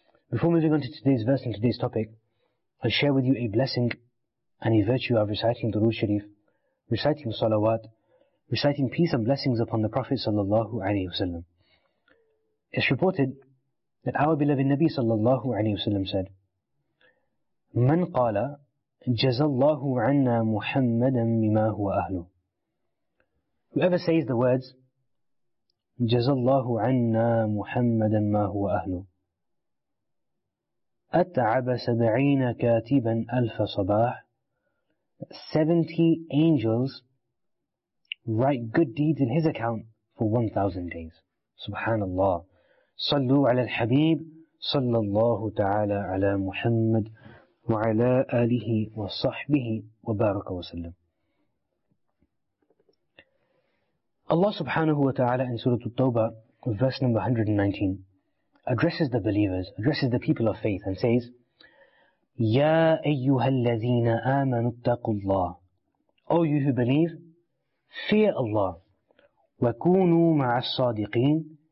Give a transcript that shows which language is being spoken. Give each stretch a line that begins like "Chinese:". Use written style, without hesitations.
English: Before moving on to today's verse and today's topic, I'll share with you a blessing and a virtue of reciting Durood Sharif, reciting Salawat, reciting peace and blessings upon the Prophet sallallahu alayhi wa sallam. It's reported that our beloved Nabi sallallahu alayhi wa sallam said,
Arabic: من قال جزى الله عنا محمدا مما هو أهله.
English: Whoever says the words
Arabic: جزى الله عنا محمدا ما هو أهله أتعب سبعين كاتبا ألف صباح.
English: 70 angels write good deeds in his account for 1,000 days.
Arabic: Subhanallah. صلوا على الحبيب صلى الله تعالى على محمد وعلى آله وصحبه وبارك وسلم.
English: Allah subhanahu wa ta'ala in Surah At-Tawbah, verse number 119, addresses the believers, addresses the people of faith and says,
Arabic: يَا أَيُّهَا الَّذِينَ آمَنُوا اتَّقُوا اللَّهِ.
English: O you who believe, fear Allah.
Arabic: وَكُونُوا مَعَ الصَّادِقِينَ.